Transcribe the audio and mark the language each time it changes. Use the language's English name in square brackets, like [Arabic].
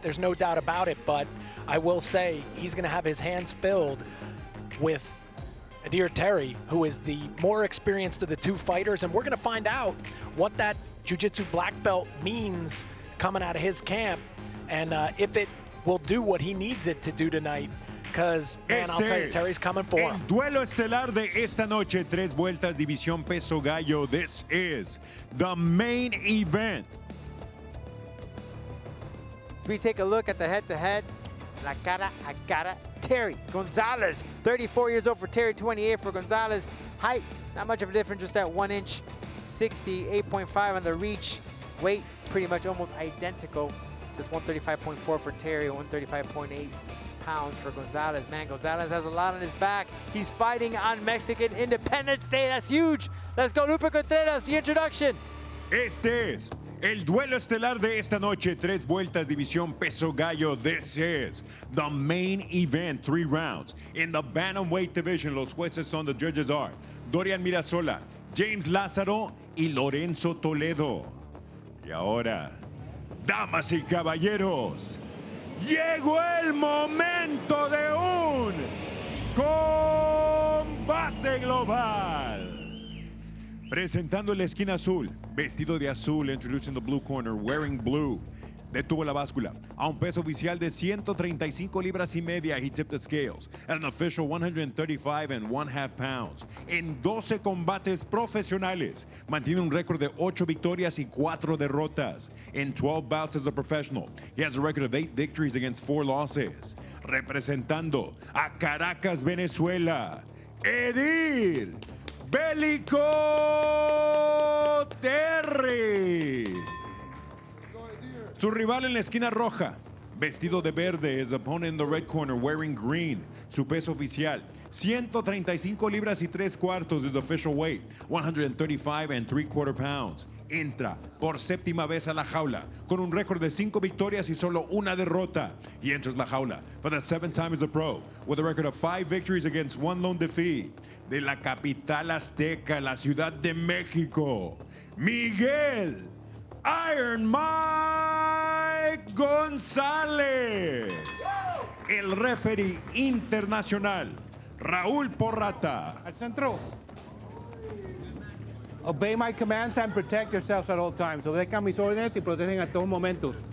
[English] There's no doubt about it, but I will say he's gonna have his hands filled with Edir Terry, who is the more experienced of the two fighters, and we're gonna find out what that jiu-jitsu black belt means coming out of his camp, and if it will do what he needs it to do tonight. Because, man, I'll tell you, Terry's coming for him. [Spanish] El duelo estelar de esta noche, tres vueltas, división peso gallo. [English] This is the main event. So we take a look at the head-to-head, la cara a cara, Terry Gonzalez, 34 years old for Terry, 28 for Gonzalez. Height, not much of a difference, just that 1 inch, 68.5 on the reach. Weight, pretty much almost identical. Just 135.4 for Terry, 135.8. for Gonzalez. Man, Gonzalez has a lot on his back. He's fighting on Mexican Independence Day. That's huge. Let's go, Lupe Contreras, the introduction. [Spanish] Este es El duelo estelar de esta noche, tres vueltas, división peso gallo. [English] This is the main event, three rounds. In the bantamweight division, los jueces son, the judges are, Dorian Mirasola, James Lázaro y Lorenzo Toledo. [Spanish] Y ahora, damas y caballeros, llegó el momento de un combate global. Presentando la esquina azul, vestido de azul, introducing the blue corner, wearing blue. Detuvo la báscula a un peso oficial de 135 libras y media. [English] He tipped the scales at an official 135 and one half pounds. [Spanish] En 12 combates profesionales, mantiene un récord de 8 victorias y 4 derrotas. [English] En 12 bouts as a professional, he has a record of 8 victories against 4 losses. [Spanish] Representando a Caracas, Venezuela, Edir Bélico Terry. Su rival en la esquina roja, vestido de verde, his opponent in the red corner, wearing green. Su peso oficial, 135 libras y 3 cuartos, his official weight, 135 and 3 quarter pounds. Entra por séptima vez a la jaula, con un récord de 5 victorias y solo una derrota. [English] He enters la jaula for the 7th time as a pro, with a record of 5 victories against 1 lone defeat. [Spanish] De la capital azteca, la Ciudad de México, Miguel Iron Mike Gonzalez. El referee internacional, Raúl Porrata. Al centro. [English] Obey my commands and protect yourselves at all times. [Spanish] Obedezcan mis órdenes y protegen a todos momentos.